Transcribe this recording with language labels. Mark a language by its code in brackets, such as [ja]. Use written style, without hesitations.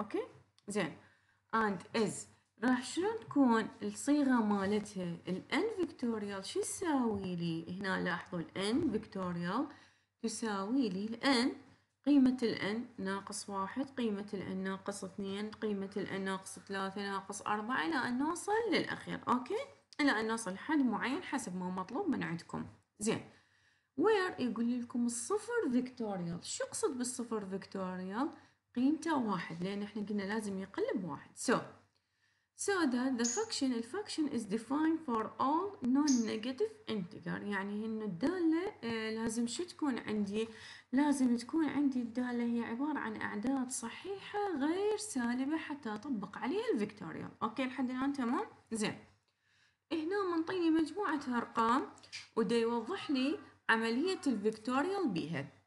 [ar] أوكي؟ زين، and is راح شنو تكون الصيغة مالتها الـ N factorial؟ شو يساوي لي؟ هنا لاحظوا الـ N factorial تساوي لي الـ N، قيمة الـ n ناقص 1، قيمة الـ n ناقص 2، قيمة الـ n ناقص 3، ناقص 4، إلى أن نوصل للأخير. أوكي؟ إلى أن نوصل حد معين حسب ما مطلوب من عندكم. زين، where يقول لكم الصفر فيكتوريال، شو يقصد بالصفر فيكتوريال؟ قيمته 1، لأن إحنا قلنا لازم يقلب 1. [en] So that the function is defined for all non-negative integer. [ar] يعني إن الدالة لازم شو تكون عندي؟ لازم تكون عندي الدالة هي عبارة عن أعداد صحيحة غير سالبة حتى أطبق عليها الفيكتوريال. أوكي، لحد الآن تمام؟ زين، هنا منطيني مجموعة أرقام وده يوضح لي عملية الفيكتوريال بها.